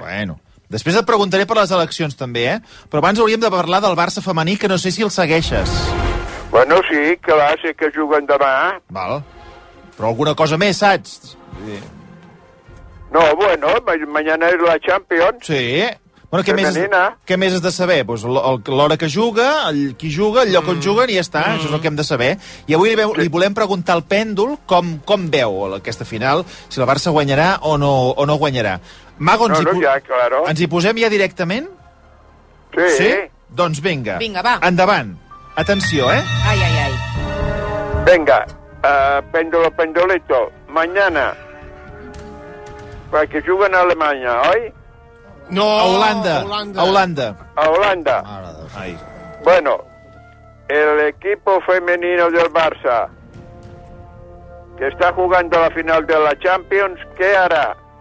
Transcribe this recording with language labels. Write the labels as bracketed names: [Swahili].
[Catalan] Bueno, després et preguntaré per les eleccions també, eh? Però abans hauríem de parlar del Barça femení, que no sé si el segueixes. Bueno, sí, clar, sé que juguen demà. Val. Però alguna cosa més, saps? Sí. [Spanish] No, bueno, mañana es la Champions. [Catalan] Sí. Bueno, què més has de saber? Pues l'hora que juga, qui juga, el lloc on juguen, i ja està. Això és el que hem de saber. I avui li volem preguntar al Pèndol com veu aquesta final, si la Barça guanyarà o no guanyarà. Mago, ens hi posem ja directament? Sí. Doncs vinga. Vinga, va. Endavant. Atenció, eh? Ai, ai, ai. Vinga. [Spanish] Pendolo, pendolito, mañana. [Catalan] Perquè juguen a Alemanya, oi? No, a Holanda. A Holanda. A Holanda. [Spanish] Bueno, el equipo femenino del Barça, que está jugando la final de la Champions, ¿qué hará?